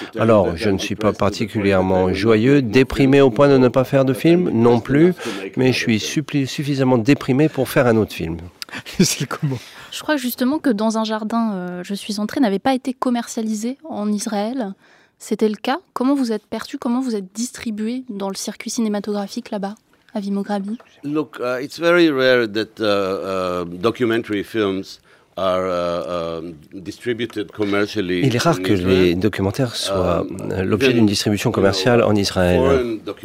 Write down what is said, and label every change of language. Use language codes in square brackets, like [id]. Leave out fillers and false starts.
[fr] Alors, je ne suis pas particulièrement joyeux, déprimé au point de ne pas faire de film non plus, mais je suis suffisamment déprimé pour faire un autre film. C'est comment ? Je crois justement que Dans un jardin, je suis entré n'avait pas été commercialisé en Israël. C'était le cas ? Comment vous êtes perçu ? Comment vous êtes distribué dans le circuit cinématographique là-bas ? Avi Moghrabi. [en] Look, it's very rare that documentary films are distributed commercially. [fr] Il est rare que les documentaires soient l'objet d'une distribution commerciale en Israël.